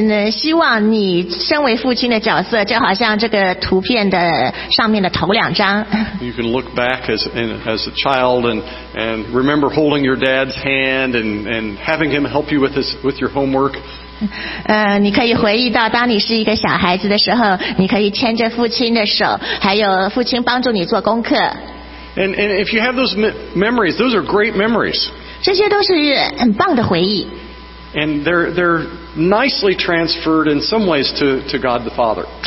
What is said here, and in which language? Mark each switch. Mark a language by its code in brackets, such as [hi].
[zh] 希望你身为父亲的角色就好像这个图片的上面的头两张。 [en] You can look back as a child and remember holding your dad's hand and having him help you with your homework. [zh] 你可以回忆到当你是一个小孩子的时候，你可以牵着父亲的手，还有父亲帮助你做功课。 [en] And if you have those memories, those are great memories. [zh] 这些都是很棒的回忆。 [en] And they're nicely transferred in some ways to God the Father.